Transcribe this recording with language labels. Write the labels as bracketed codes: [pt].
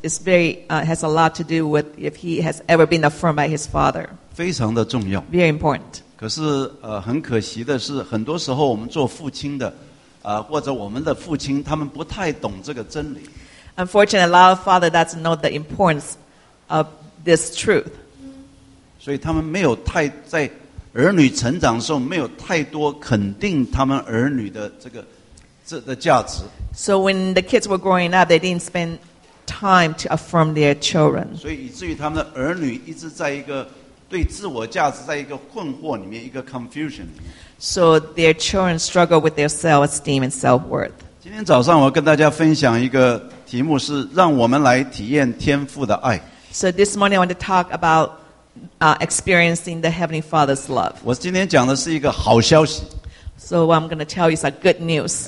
[en] It's very has a lot to do with if he has ever been affirmed by his father. [zh] 非常的重要。 [en] Very important. [zh] 可是很可惜的是，很多时候我们做父亲的，或者我们的父亲，他们不太懂这个真理。 [en] Unfortunately, a lot of fathers don't know the importance of this truth. [zh] 所以他们没有太在儿女成长的时候没有太多肯定他们儿女的这个这的价值。 [en] So when the kids were growing up, they didn't spend time to affirm their children. [zh] 所以以至于他们的儿女一直在一个对自我价值在一个困惑里面，一个 confusion 里面。 [en] So their children struggle with their self-esteem and self-worth. [zh] 今天早上我跟大家分享一个题目是让我们来体验天父的爱。 [en] So this morning I want to talk about experiencing the Heavenly Father's love. [zh] 我今天讲的是一个好消息。 [en] So what I'm going to tell you is a good news.